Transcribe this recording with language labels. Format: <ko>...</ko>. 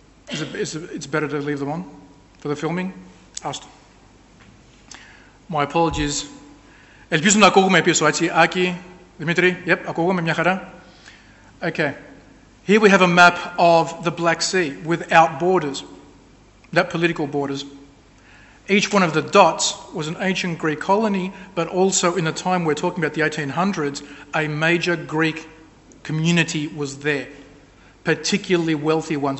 <en>It's better to leave them on for the filming? Asked. My apologies.</en> <el>Ελπίζω να ακούγουμε πίσω, έτσι. Άκη, Δημήτρη, yep, ακούγουμε μια χαρά.</el> <en>Okay. Here we have a map of the Black Sea without borders, not political borders. Each one of the dots was an ancient Greek colony, but also in the time we're talking about, the 1800s, a major Greek community was there, particularly wealthy ones.</en>